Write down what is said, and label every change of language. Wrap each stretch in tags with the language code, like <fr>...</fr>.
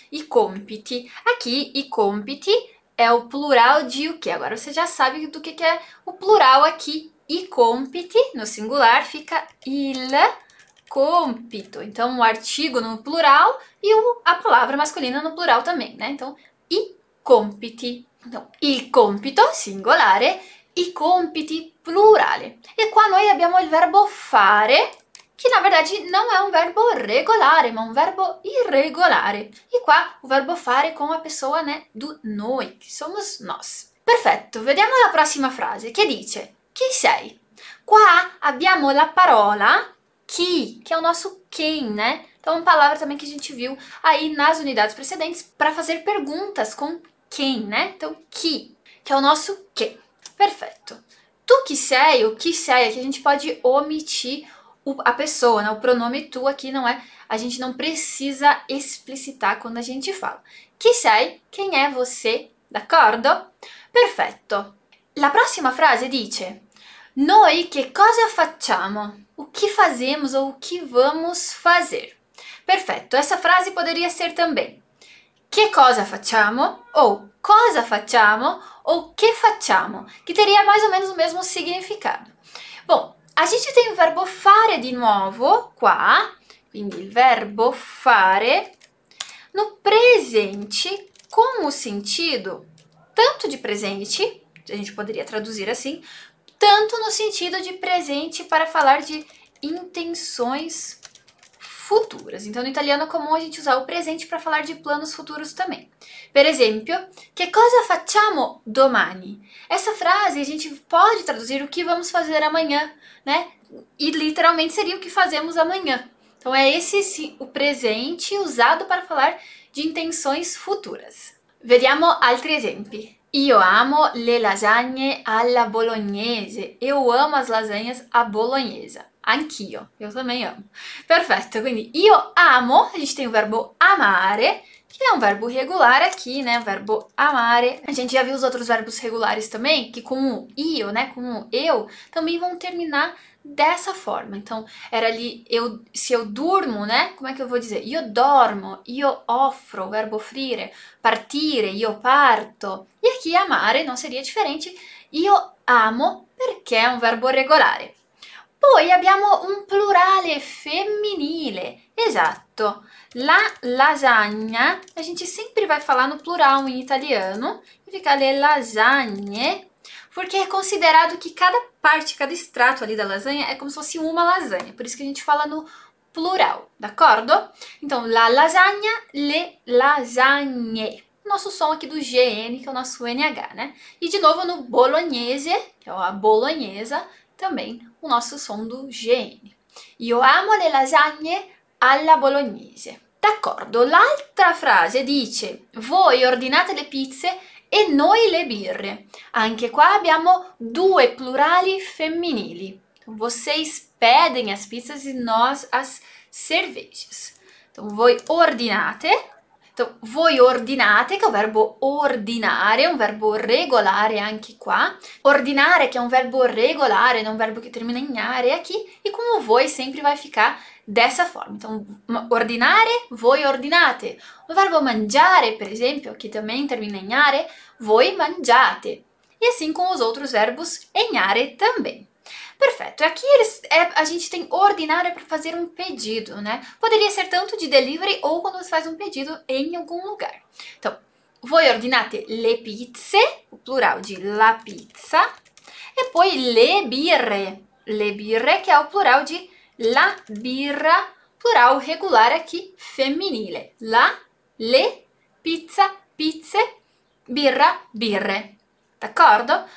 <pt>I compiti. Aqui, i compiti é o plural de o quê? Agora você já sabe do que é o plural aqui.</pt> <it>I compiti,</it> <pt>no singular, fica</pt> <it>il compito.</it> <pt>Então, o artigo no plural e a palavra masculina no plural também, né? Então, i compiti. Então,</pt> <it>il compito, singolare, i compiti, plurale. E qua noi abbiamo il verbo fare, che</it> <pt>na verdade</pt> <it>non è un verbo regolare, ma un verbo irregolare. E qua il verbo fare con la persona, né, do noi, che</it> <pt>somos nós.</pt> <it>Perfetto, vediamo la prossima frase, che dice: Chi sei? Qua abbiamo la parola chi, che è il nostro</it> <pt>quem, né? Então, una parola também che a gente viu aí nas unidades precedentes para fazer perguntas con quem, né?</pt> <it>Então, chi, che è il nostro che. Perfetto. Tu chi sei? O chi sei?</it> <pt>Aqui a gente pode omitir a pessoa, né? O pronome tu aqui não é, a gente não precisa explicitar quando a gente fala.</pt> <it>Chi sei?</it> <pt>Quem é você?</pt> <it>D'accordo? Perfetto. La prossima frase dice: Noi che cosa facciamo?</it> <pt>O que fazemos ou o que vamos fazer? Perfetto. Essa frase poderia ser também: Che cosa facciamo?</pt> <it>Ou cosa facciamo? Ou che facciamo?</it> <pt>Que teria mais ou menos o mesmo significado. Bom, a gente tem o verbo fare</pt> <it>di nuovo qua, quindi il verbo fare,</it> <pt>no presente com o sentido tanto de presente, a gente poderia traduzir assim, tanto no sentido de presente para falar de intenções futuras. Então, no italiano comum, a gente usa o presente para falar de planos futuros também.</pt> <it>Per exemplo, che cosa facciamo domani?</it> <pt>Essa frase a gente pode traduzir o que vamos fazer amanhã, né? E literalmente seria o que fazemos amanhã. Então, é esse sim, o presente usado para falar de intenções futuras.</pt> <it>Vediamo altri esempi. Io amo le lasagne alla bolognese.</it> <pt>Eu amo as lasanhas à bolognese.</pt> <it>Anch'io,</it> <pt>eu também amo. Perfeito,</pt> <it>quindi io amo,</it> <pt>a gente tem o verbo amare, que é um verbo regular aqui, né? O verbo amare. A gente já viu os outros verbos regulares também, que com o io, né? Com o eu, também vão terminar dessa forma. Então, era ali, eu, se eu durmo, né? Como é que eu vou dizer?</pt> <it>Io dormo, io offro, o verbo offrire, partire, io parto.</it> <pt>E aqui amare não seria diferente.</pt> <it>Io amo perché è un verbo regolare. Poi abbiamo un plurale femminile. Esatto.</it> <pt>La lasagna, a gente sempre vai falar no plural in italiano, fica le lasagne,</pt> <it>perché è considerato che</it> <pt>cada parte, cada strato ali da lasagna è come se fosse uma lasagna, por isso che a gente fala no plural,</pt> <it>d'accordo?</it> <pt>Então, la lasagna, le lasagne. Nosso som aqui do GN, que é o nosso NH, né? E de novo no bolognese, que é a bolognesa, também o nosso som do GN.</pt> <it>Io amo le lasagne alla bolognese. D'accordo, l'altra frase dice: voi ordinate le pizze e noi le birre. Anche qua abbiamo due plurali femminili.</it> <pt>Vocês pedem as pizzas e nós as cervejas. Então, voi ordinate. Então, voi ordinate,</pt> <it>che è un verbo ordinare, un verbo regolare anche qua. Ordinare, che è un verbo regolare, non un verbo che termina in are, qui.</it> <pt>E come voi sempre vai ficar dessa forma. Então, ordinare, voi ordinate.</pt> <it>Un verbo mangiare, per esempio, che</it> <pt>também</pt> <it>termina in are, voi mangiate.</it> <pt>E assim com os outros verbos in are também. Perfeito, aqui a gente tem ordinare para fazer um pedido, né? Poderia ser tanto de delivery ou quando você faz um pedido em algum lugar. Então, voi ordinate le pizze, o plural de la pizza,</pt> <it>e poi le birre che è</it> <pt>o plural di la birra,</pt> <it>plural regolare qui femminile. La, le, pizza, pizze, birra, birre. D'accordo?</it>